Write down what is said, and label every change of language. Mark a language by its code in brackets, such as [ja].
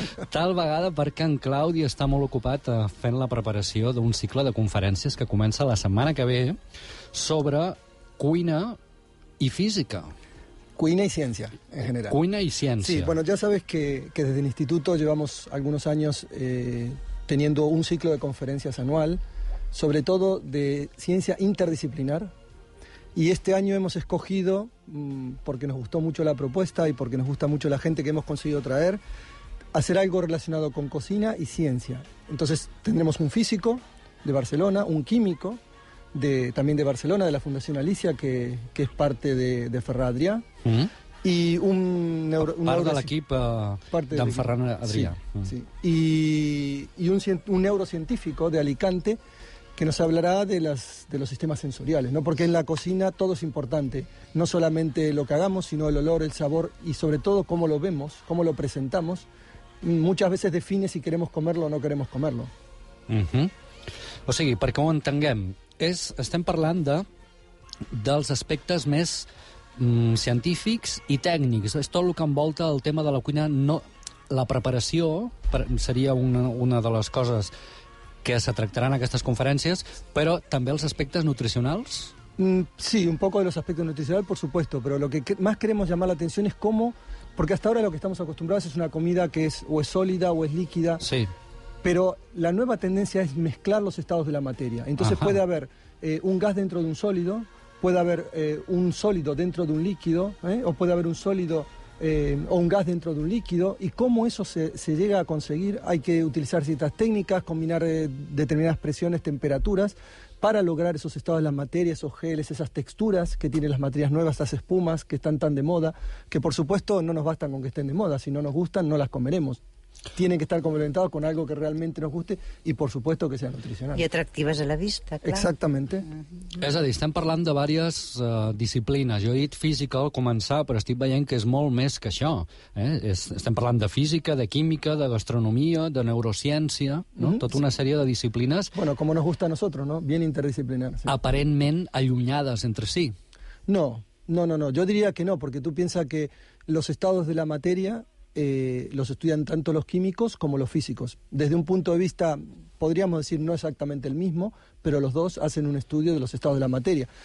[ca] Tal vegada perquè en Claudi està molt ocupat fent la preparació d'un cicle de conferències que comença la setmana que ve sobre cuina i física. [es] Cuina y ciencia, en general. Cuina y ciencia. Sí, bueno, ya sabes que desde el instituto llevamos algunos años teniendo un ciclo de conferencias anual, sobre todo de ciencia interdisciplinar. Y este año hemos escogido, porque nos gustó mucho la propuesta y porque nos gusta mucho la gente que hemos conseguido traer, hacer algo relacionado con cocina y ciencia. Entonces tendremos un físico de Barcelona, un químico, también de Barcelona, de la Fundación Alicia, que es parte de Ferran Adrià. Mm-hmm. Y un [ca] part de l'equip d'en Ferran Adrià. Sí. [es] Y un neurocientífico de Alicante que nos hablará de los sistemas sensoriales, ¿no? Porque en la cocina todo es importante. No solamente lo que hagamos, sino el olor, el sabor y sobre todo cómo lo vemos, cómo lo presentamos. Muchas veces define si queremos comerlo o no queremos comerlo. Mm-hmm. [ca] O sigui, perquè ho entenguem, estem parlant dels aspectes més científics i tècnics. És tot el que envolta el tema de la cuina. No, la preparació seria una de les coses que se tractaran aquestes conferències, però també els aspectes nutricionals? [es] Sí, un poco de los aspectos nutricionales, por supuesto, pero lo que más queremos llamar la atención es cómo, porque hasta ahora lo que estamos acostumbrados es una comida que es o es sólida o es líquida. Sí. Pero la nueva tendencia es mezclar los estados de la materia. Entonces, ajá, puede haber un gas dentro de un sólido, puede haber un sólido dentro de un líquido, o puede haber un sólido o un gas dentro de un líquido. Y cómo eso se llega a conseguir, hay que utilizar ciertas técnicas, combinar determinadas presiones, temperaturas, para lograr esos estados de la materia, esos geles, esas texturas que tienen las materias nuevas, esas espumas que están tan de moda, que por supuesto no nos bastan con que estén de moda, si no nos gustan no las comeremos. Tienen que estar complementados con algo que realmente nos guste y, por supuesto, que sea nutricional. Y atractivas a la vista, claro. Exactamente. [ca] Uh-huh. És a dir, estem parlant de diverses disciplines. Jo he dit física al començar, però estic veient que és molt més que això. Estem parlant de física, de química, de gastronomia, de neurociència, no? Uh-huh, tota una sí. Sèrie de disciplines. [es] Bueno, como nos gusta a nosotros, ¿no? Bien interdisciplinar. Sí. [ca] Aparentment allunyades entre si. No. [es] Yo diría que no, porque tú piensas que los estados de la materia... los estudian tanto los químicos como los físicos. Desde un punto de vista, podríamos decir, no exactamente el mismo, pero los dos hacen un estudio de los estados de la materia.